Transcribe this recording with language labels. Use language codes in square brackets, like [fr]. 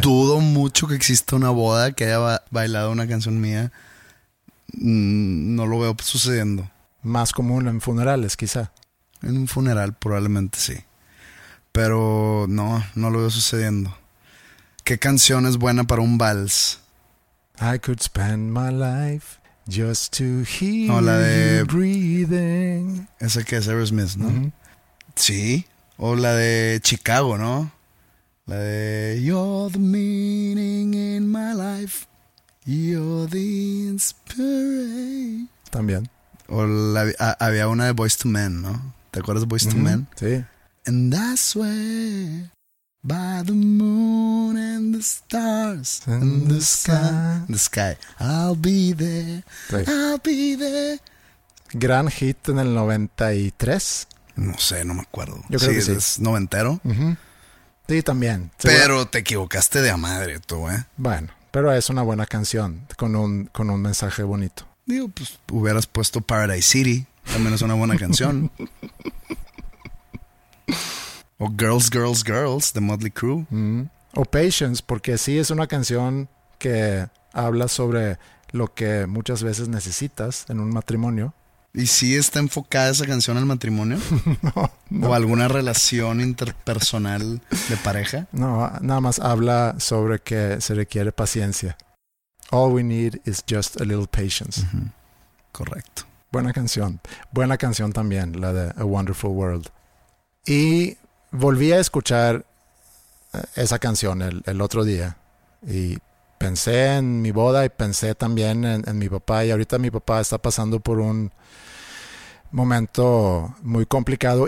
[es] Dudo mucho que exista una boda que haya bailado una canción mía. No lo veo sucediendo. Más común en funerales, quizá. En un funeral, probablemente sí. Pero no lo veo sucediendo. ¿Qué canción es buena para un vals? [en] I could spend my life just to hear you breathing. [es] Esa que es Aerosmith, ¿no? Mm-hmm. Sí. O la de Chicago, ¿no? La de [en] You're the meaning in my life. You're the inspiration. [es] También. O había una de Boys to Men, ¿no? ¿Te acuerdas de Boys to Men? Sí. [en] And I swear by the moon and the stars and the sky. The sky. I'll be there. [es] Sí. [en] I'll be there. [es] Gran hit en el 93. No sé, no me acuerdo. Yo creo que sí. ¿Es noventero? Uh-huh. Sí, también. Pero te equivocaste de a madre tú, ¿eh? Bueno, pero es una buena canción con un mensaje bonito. Digo, pues hubieras puesto Paradise City. También es una buena canción. O Girls, Girls, Girls, de Motley Crue. Mm. O Patience, porque sí es una canción que habla sobre lo que muchas veces necesitas en un matrimonio. ¿Y sí está enfocada esa canción al matrimonio? No. ¿O alguna relación interpersonal de pareja? No, nada más habla sobre que se requiere paciencia. [en] All we need is just a little patience. [es] Uh-huh. Correcto. Buena canción. Buena canción también, la de A Wonderful World. Y volví a escuchar esa canción el otro día y pensé en mi boda y pensé también en mi papá. Y ahorita mi papá está pasando por un momento muy complicado.